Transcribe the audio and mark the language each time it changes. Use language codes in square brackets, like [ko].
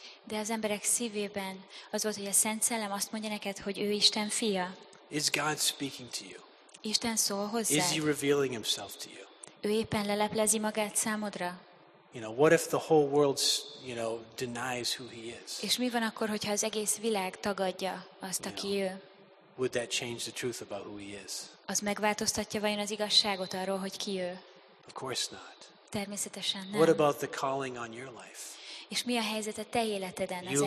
[hu] De az emberek szívében az volt, hogy a Szent Szellem azt mondja neked, hogy ő Isten fia. [en] Is God speaking to you? [hu] Isten szól hozzád. [en] Is he revealing himself to you? [hu] Ő éppen leleplezi magát számodra. [en] You know, what if the whole world, you know, denies who he is? [hu] És mi van akkor, hogyha az egész világ tagadja azt, aki ő? [en] Would that change the truth about who he is? [hu] Az megváltoztatja vajon az igazságot arról, hogy ki ő? [en] Of course not. [hu] Természetesen nem. [en] What about the calling on your life? [hu] És mi a helyzet a te életeden,